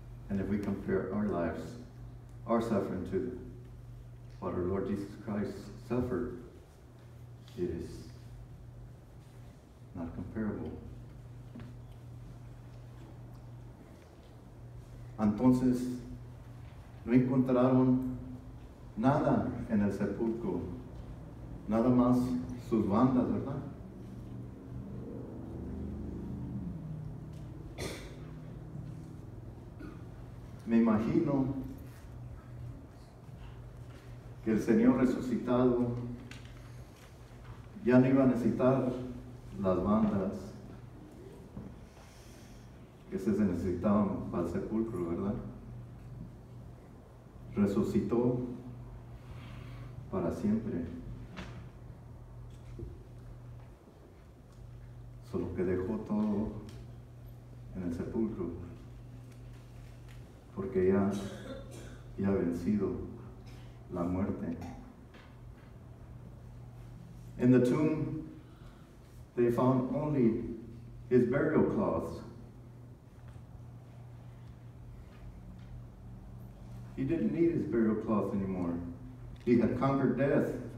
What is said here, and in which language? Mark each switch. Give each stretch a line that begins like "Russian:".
English: And if we compare our lives, our suffering to what our Lord Jesus Christ suffered, it is not comparable.
Spanish: Entonces, no encontraron nada en el sepulcro, nada más sus bandas, ¿verdad? Me imagino que el Señor resucitado ya no iba a necesitar las bandas que se necesitaban para el sepulcro, ¿verdad? Resucitó para siempre. Solo que dejó todo en el sepulcro, porque ya ha vencido la muerte.
English: In the tomb, they found only his burial cloths. He didn't need his burial cloth anymore. He had conquered death.